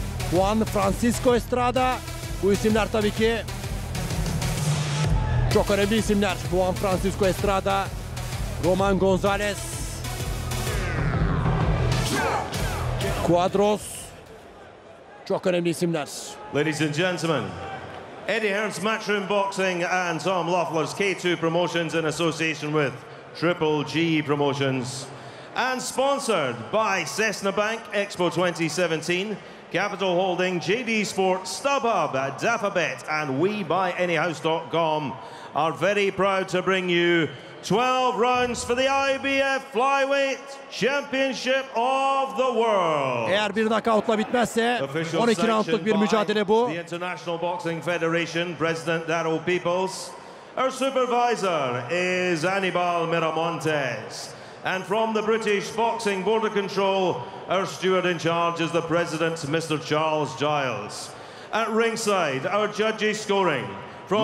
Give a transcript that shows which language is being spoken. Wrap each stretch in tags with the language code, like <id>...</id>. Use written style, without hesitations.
<tr>Juan Francisco Estrada, bu isimler tabii ki çok önemli isimler. Juan Francisco Estrada, Roman Gonzalez, Cuadros, çok önemli isimler.</tr> <en>Ladies and gentlemen, Eddie Hearn's Matchroom Boxing and Tom Loeffler's K2 Promotions in association with Triple G Promotions and sponsored by Cessna Bank Expo 2017. Capital Holding, JD Sports, StubHub, Dafabet, and WeBuyAnyHouse.com are very proud to bring you 12 rounds for the IBF Flyweight Championship of the World.</en> <tr>Eğer bir knockoutla bitmezse, 12 roundluk bir mücadele bu.</tr> <en>The International Boxing Federation, President Darrell Peoples. Our supervisor is Anibal Miramontes. And from the British Boxing Border Control, our steward in charge is the President, Mr. Charles Giles. At ringside, our judges scoring from</en>